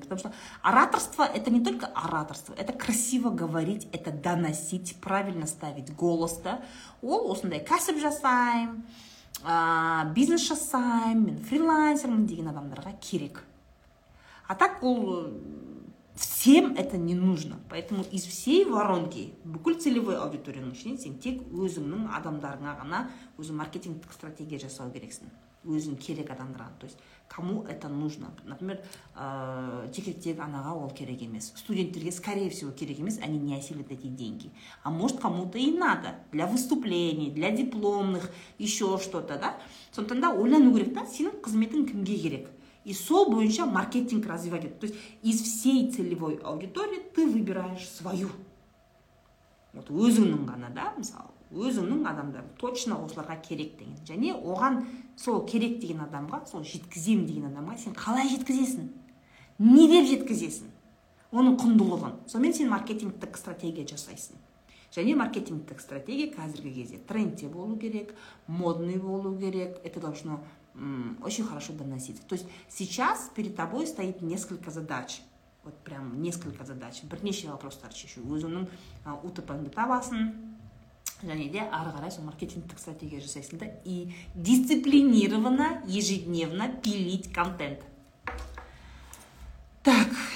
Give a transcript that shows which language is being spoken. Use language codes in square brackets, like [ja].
[ru] Потому что ораторство – это не только ораторство. Это красиво говорить, это доносить, правильно ставить голос-то. [kk] Ол осындай кәсіп жасайым, бизнес жасайым, мен фрилансермін деген адамдарға керек. [ru] А так ол всем это не нужно. [kk] Поэтому [ru] из всей воронки, [kk] бүкіл целевой аудиторияның ішінен сен тек өзіңнің адамдарыңа ғана өзің маркетингтік стратегия жасау керексің. Өзің керек адамдарға. [ru] То есть, кому это нужно? [kk] Например, декреттегі анаға ол керек емес. Студенттерге, [ru] скорее всего, [kk] керек емес, [ru] они не осилят эти деньги. А может, кому-то и надо. Для выступлений, для дипломных, еще что-то, да? [kk] Сонтанда ойлану керек, да, сенің қызметің кімге керек? И сол бойынша маркетинг развивать. [ru] То есть, из всей целевой аудитории ты выбираешь свою. [kk] Вот өзіңнің ғана, да, мысалы. Өзіңнің адамдар точно осыларға керек деген. Және оған сол керек деген адамға, сол жеткізем деген адамға сен қалай жеткізесің? Не деп жеткізесің? Оның құндылығын. Сонымен сен маркетингтік стратегия жасайсың. Және маркетингтік стратегия қазіргі кезде трендте болу керек, модный болу керек. [ru] Это должно очень хорошо доноситься. То есть сейчас перед тобой стоит несколько задач. Вот прям несколько задач. [kk] Бірнеше вопростар шешу. Өзіңнің УТП-ыңды табасың. Және де ары қарай сол маркетингтік стратегия жасайсың да [ru] и дисциплинированно ежедневно пилить контент. [kk] Так.